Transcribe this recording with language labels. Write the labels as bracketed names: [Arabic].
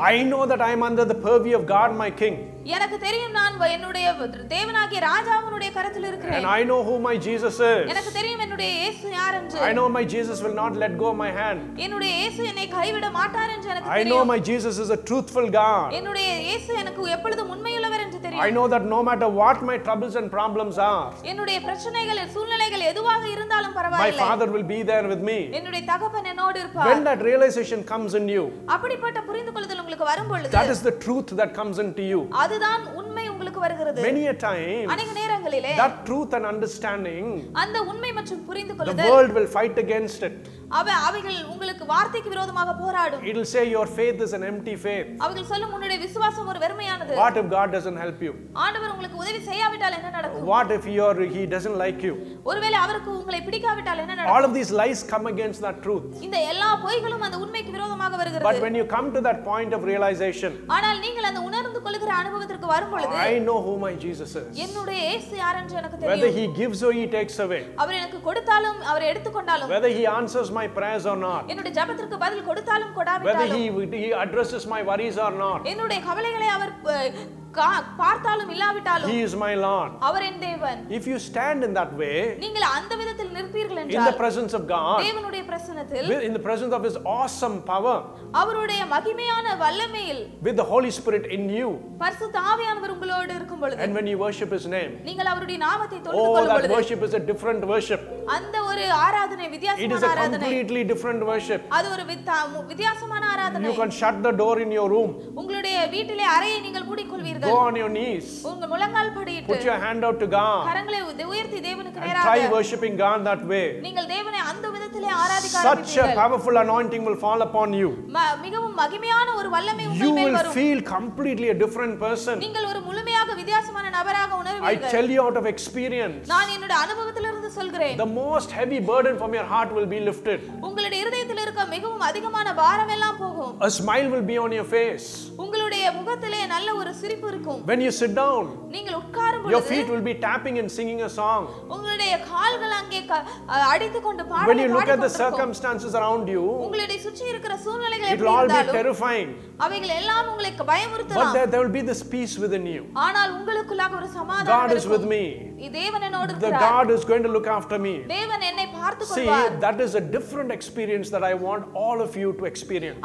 [English] I know that I am under the purview of God my king. [Tamil] எனக்கு தெரியும் நான் என்னுடைய தேவனாகிய ராஜாவினுடைய கரத்தில் இருக்கிறேன். [English] And I know who my Jesus is. [Tamil] எனக்கு தெரியும் என்னுடைய இயேசு யார் என்று. [English] I know my Jesus will not let go of my hand. [Tamil] என்னுடைய இயேசு என்னை கைவிட மாட்டார் என்று எனக்கு தெரியும். [English] I know my Jesus is a truthful God. [Tamil] என்னுடைய இயேசு எனக்கு எப்பொழுதும் உண்மையுள்ளவர் என்று தெரியும். [English] I know that no matter what my troubles and problems are. [Tamil] என்னுடைய பிரச்சனைகள் சூழ்நிலைகள் எதுவாக இருந்தாலும் பரவாயில்லை. [English] My Father will be there with me. [Tamil] என்னுடைய தகப்பன் என்னோடு இருப்பார். [English] When that realization comes in you. [Tamil] அப்படிப்பட்ட புரிந்துகொள்ளுதல் உங்களுக்கு வரும்பொழுது. [English] That is the truth that comes into you. [Tamil] அதுதான் உண்மை உங்களுக்கு வருகிறது. [English] Many a time. [Tamil] அநேக நேரங்களிலே. [English] That truth and understanding. [Tamil] அந்த உண்மை மற்றும் புரிந்துகொள்ளுதல். [English] The world will fight against it. [Tamil] அவைகள் உங்களுக்கு வார்த்தைக்கு விரோதமாக போராடும். [English] It will say your faith is an empty faith. [Tamil] அவைகள் சொல்லும் உன்னுடைய விசுவாசம் ஒரு வெறுமையானது. [English] What if God doesn't help you? [Tamil] ஆண்டவர் உங்களுக்கு உதவி செய்யாவிட்டால் என்ன நடக்கும்? [English] What if he doesn't like you? [Tamil] ஒருவேளை அவருக்கு உங்களை பிடிக்காவிட்டால் என்ன நடக்கும்? [English] All of these lies come against that truth. [Tamil] இந்த எல்லா பொய்களும் அந்த உண்மைக்கு விரோதமாக வருகிறது. [English] But when you come to that point of realization. [Tamil] ஆனால் நீங்கள் அந்த உணர்ந்து கொள்கிற அனுபவத்திற்கு வரும்பொழுது. [English] I know who my Jesus is. [Tamil] என்னுடைய இயேசு யார் என்று எனக்கு தெரியும். [English] Whether he gives or he takes away. [Tamil] அவர் எனக்கு கொடுத்தாலும் அவர் எடுத்துக்கொண்டாலும். [English] Whether he answers my prayers or not. [Tamil] என்னுடைய ஜெபத்திற்கு பதில் கொடுத்தாலும் கொடாவிட்டாலும். [English] Whether he addresses my worries or not. [Tamil] என்னுடைய கவலைகளை அவர் பார்த்தாலும் இல்லாவிட்டாலும். [English] He is my Lord. [Tamil] அவர் என் தேவன். [English] If you stand in that way. [Tamil] நீங்கள் அந்த விதத்தில் நிற்பீர்கள் என்றால். [English] In the presence of God. [Tamil] தேவனுடைய பிரசன்னத்தில். [English] In the presence of his awesome power. [Tamil] அவருடைய மகிமையான வல்லமையில். [English] With the Holy Spirit in you. [Tamil] பரிசுத்த ஆவியானவர் உங்களோடு இருக்கும் பொழுது. [English] And when you worship his name. [Tamil] நீங்கள் அவருடைய நாமத்தை தொழுது கொள்ளும் பொழுது. [English] Oh, that worship is a different worship. [Tamil] அந்த ஒரு ஆராதனை வித்தியாசமான ஆராதனை. [English] It is a completely different worship. [Tamil] அது ஒரு வித்தியாசமான ஆராதனை. [English] You can shut the door in your room. [Tamil] உங்களுடைய வீட்டிலே அறையை நீங்கள் மூடிக்கொள்வீர்கள். [English] Go on your knees. [Tamil] உங்கள் முழங்கால் படியிட்டு. [English] Put your hand out to God. [Tamil] கரங்களை உயர்த்தி தேவனுக்கு நேராக. [English] Try worshiping God that way. [Tamil] நீங்கள் தேவனை அந்த விதத்திலே ஆராதிக்க ஆரம்பிப்பீர்கள். [English] Such a powerful anointing will fall upon you. [Tamil] மிகவும் மகிமையான ஒரு வல்லமை உங்கள் மேல் வரும். [English] You will feel completely a different person. [Tamil] நீங்கள் ஒரு முழுமையாக வித்தியாசமான நபராக உணர்வீர்கள். [English] I tell you out of experience. [Tamil] நான் என்னோட அனுபவத்திலிருந்து சொல்கிறேன். [English] The most heavy burden from your heart will be lifted. [Tamil] உங்களுடைய இதயத்தில் இருக்க மிகவும் அதிகமான பாரம் எல்லாம் போகும். [English] A smile will be on your face. [Tamil] உங்களுடைய முகத்திலே நல்ல ஒரு சிரிப்பு இருக்கும். [English] When you sit down, [Tamil] நீங்கள் உட்காரும் பொழுது, [English] your feet will be tapping and singing a song. [Tamil] உங்களுடைய கால்கள் அங்கே அடித்துக் கொண்டு பாடல். [English] When you look at the circumstances around you, [Tamil] உங்களுடைய சுற்றி இருக்கிற சூழ்நிலைகள் எப்படி இருந்தாலும், [English] it'll all be terrifying. [Tamil] அவைகள் எல்லாம் உங்களை பயமுறுத்தலாம். [English] But there will be this peace within you. [Tamil] ஆனால் உங்களுக்குள்ளாக ஒரு சமாதானம் இருக்கும். [English] God is with me. [Tamil] தேவன் என்னோடு இருக்கிறார். [English] The God is going to look after me. [Tamil] தேவன் என்னை பார்த்துக்கொள்வார். [English] See, that is a different experience that I want all of you to experience.